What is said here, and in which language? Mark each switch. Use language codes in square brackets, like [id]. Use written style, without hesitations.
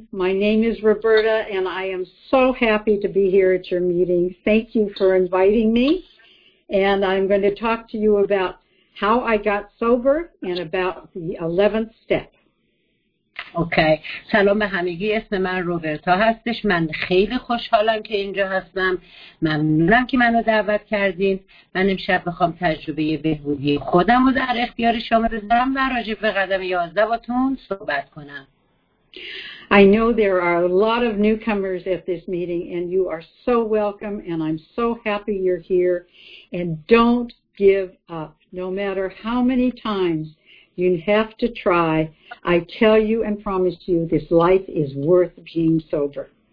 [en] My name is Roberta, and I am so happy to be here at your meeting. Thank you for inviting me, and I'm going to talk to you about how I got sober and about the 11th step. [fa] اوکی. سلام به همگی، اسم من روبرتا هستش. من خیلی خوشحالم که اینجا هستم. ممنونم که منو دعوت کردین. من امشب بخوام تجربه بهبودی خودم رو در اختیار شما بذارم و راجع به قدم 11 باتون صحبت کنم. [en] I know there are a lot of newcomers at this meeting and you are so welcome and I'm so happy you're here and don't give up no matter how many times you have to try. I tell you and promise you, this life is worth being sober.